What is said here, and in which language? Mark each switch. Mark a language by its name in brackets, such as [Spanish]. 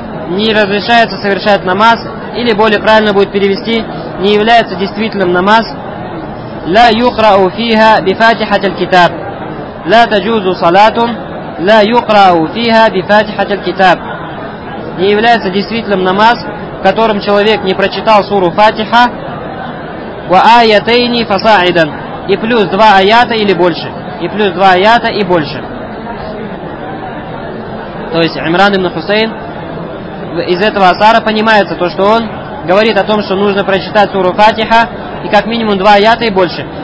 [Russian] Не разрешается совершать намаз, или более правильно будет перевести, не является действительным намаз, [Arabic] لا يقرأ فيها بفاتحة الكتاب. لا تجوز صلاة لا يقرأ فيها بفاتحة الكتاب. [Russian] Не является действительным намаз, в котором человек не прочитал суру Фатиха, [Arabic] وآيتين فصاعدا, [Russian] и плюс два аята или больше. И плюс два аята и больше. То есть Имран ибн Хусейн из этого асара понимается то, что он говорит о том, что нужно прочитать суру Фатиха и как минимум два аята и больше.